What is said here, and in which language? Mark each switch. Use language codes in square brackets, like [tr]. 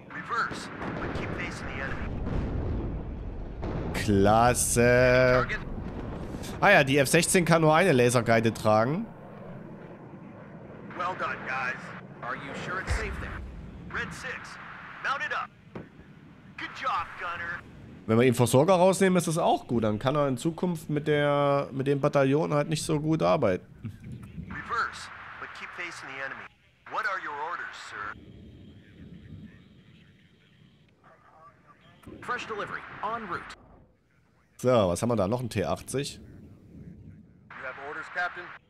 [en] Reverse, but keep facing the enemy. [de] Klasse. Ah ja, die F-16 kann nur eine Laserguide tragen. [en] Well done, guys. Are you sure it's safe there? Red 6, mount it up. Good job, Gunner. [de] Wenn wir ihn Versorger rausnehmen, ist das auch gut. Dann kann er in Zukunft mit dem Bataillon halt nicht so gut arbeiten. [en] Reverse, but keep facing the enemy. What are your orders, sir? Fresh delivery, en route. [de] So, was haben wir da? Noch ein T-80. [en] You have orders, Captain.